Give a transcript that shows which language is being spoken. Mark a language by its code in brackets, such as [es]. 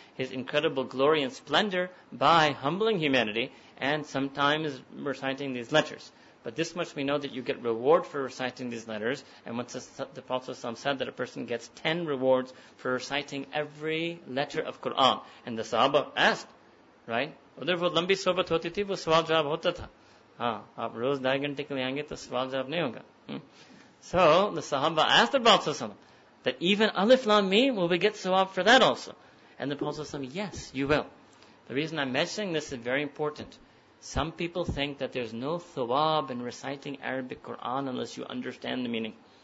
[en] His incredible glory and splendor by humbling humanity and sometimes reciting these letters. But this much we know, that you get reward for reciting these letters. And once the Prophet ﷺ said that a person gets 10 rewards for reciting every letter of Quran. And the Sahaba asked, right? [ur] ادھر وہ لمبی صحبت ہوتی تھی، وہ سوال جواب ہوتا تھا. ہاں، آپ روز دائی گھنٹے کے لیے آئیں گے تو سوال جواب نہیں ہوگا. [en] So the Sahaba asked the Prophet ﷺ that even alif lam mim, will we get sawab for that also? And the Prophet ﷺ, yes, you will. The reason I'm mentioning this is very important. Some people think that there's no thawab in reciting Arabic Quran unless you understand the meaning.